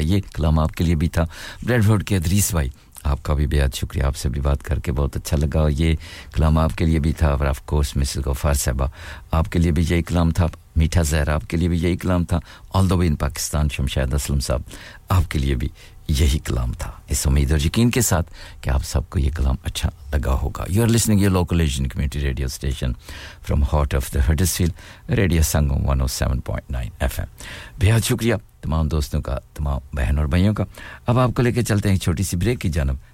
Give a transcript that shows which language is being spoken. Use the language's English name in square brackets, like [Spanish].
[Urdu] یہ کلام آپ کے لیے بھی تھا. بریڈ فورڈ کے ادریس بھائی آپ کا بھی بہت شکریہ آپ سے بھی بات کر کے بہت اچھا لگا. یہ کلام آپ کے لیے بھی تھا. اور آف کورس مسز غفار صاحبہ آپ کے لیے بھی یہی کلام تھا. میٹھا زہر آپ کے لیے بھی یہی کلام تھا. آلدو ان پاکستان شمشید اسلم صاحب آپ کے لیے بھی یہی کلام تھا. اس امید اور یقین کے ساتھ کہ آپ سب کو یہ کلام اچھا لگا ہوگا. [English] You are listening to your local Asian community radio station from heart of the Huddersfield, Radio Sangam 107.9 FM. [Urdu] بہت شکریہ تمام دوستوں کا, تمام بہن اور بھائیوں کا. اب آپ کو لے کے چلتے ہیں ایک چھوٹی سی بریک کی جانب.